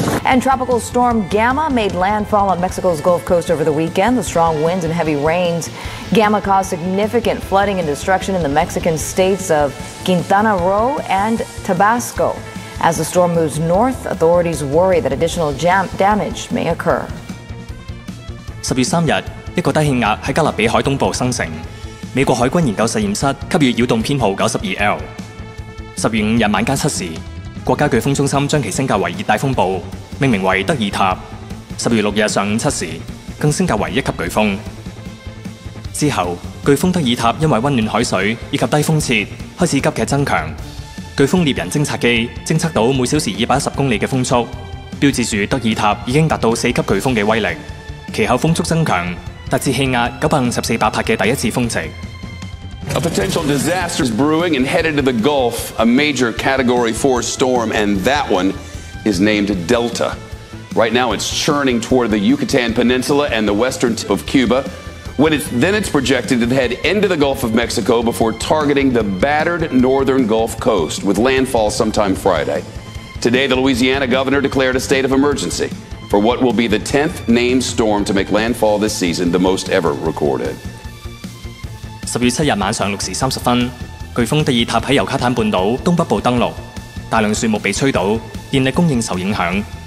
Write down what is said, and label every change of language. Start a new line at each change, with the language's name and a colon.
English: And tropical storm Gamma made landfall on Mexico's Gulf Coast over the weekend. The strong winds and heavy rains. Gamma caused significant flooding and destruction in the Mexican states of Quintana Roo and Tabasco. As the storm moves north, authorities worry that additional damage may occur.
Chinese: 10月3日，一个低气压在加勒比海东部生成。美国海军研究实验室给予扰动编号 92L。 10月5日晚间7时，国家飓风中心将其升格为热带风暴，命名为德尔塔。 10月6日上午7时，更升格为一级飓风。之后，飓风德尔塔因为温暖海水以及低风切，开始急剧增强。飓风猎人侦察机侦测到每小时210公里的风速，标志着德尔塔已经达到四级飓风的威力。其后风速增强，达至气压954百帕的第一次峰值。
English: A potential disaster is brewing and headed to the Gulf, a major Category 4 storm, and that one is named Delta. Right now, it's churning toward the Yucatan Peninsula and the western tip of Cuba. Then it's projected to head into the Gulf of Mexico before targeting the battered northern Gulf coast, with landfall sometime Friday. Today, the Louisiana governor declared a state of emergency for what will be the 10th named storm to make landfall this season, the most ever recorded.
Chinese: 10月7日晚上6时30分，飓风德尔塔在尤卡坦半岛东北部登陆，大量树木被吹倒，电力供应受影响。